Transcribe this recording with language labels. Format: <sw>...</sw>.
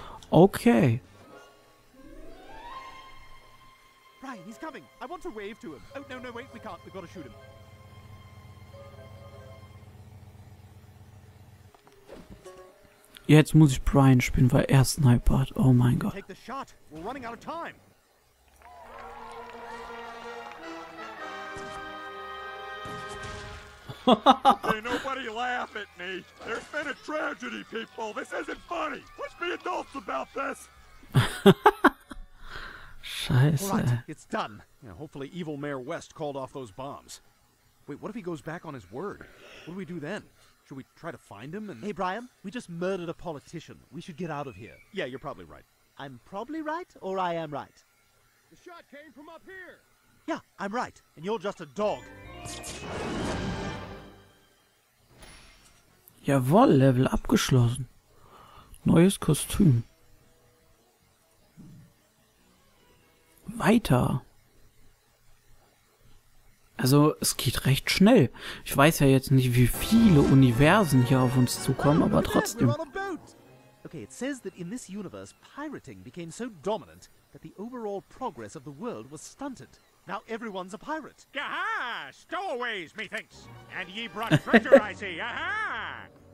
<en>Okay. Ryan, he's coming. I want to wave to him. Oh, no, no, wait, we can't. We've got to shoot him.</en> <de>Jetzt muss ich Brian spielen, weil er Sniper hat. Oh mein Gott.</de> <en>Take the shot. We're running out of time. Hey, nobody laugh at me. There's been a tragedy, people. This isn't funny. Let's be adults about this.</en> <de>Scheiße.</de> <en>Right, it's done. You know, hopefully evil Mayor West called off those bombs. Wait, what if he goes back on his word? What do we do then? Should we try to find him and... Hey, Brian, we just murdered a politician. We should get out of here. Yeah, you're probably right. I'm probably right, or I am right. The shot came from up here. Yeah, I'm right. And you're just a dog.</en> <de>Jawohl, Level abgeschlossen. Neues Kostüm. Weiter. Also, es geht recht schnell. Ich weiß ja jetzt nicht, wie viele Universen hier auf uns zukommen, aber trotzdem.</de> <en>Okay, it says that in this universe pirating became so dominant that the overall progress of the world was stunted. Now everyone's a pirate. Aha! Stowaways, methinks! And ye brought treasure, I see. Aha!</en>